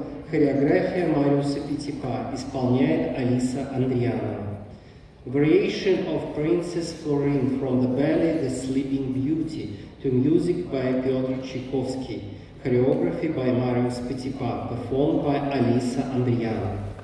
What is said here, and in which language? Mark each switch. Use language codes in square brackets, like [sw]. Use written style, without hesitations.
[ru] Хореография Мариуса Петипа исполняет Алиса Андрианова. [en] Variation of Princess Florine from the ballet The Sleeping Beauty to music by Петр Чайковский. Choreography by Мариус Петипа, performed by Алиса Андрианова.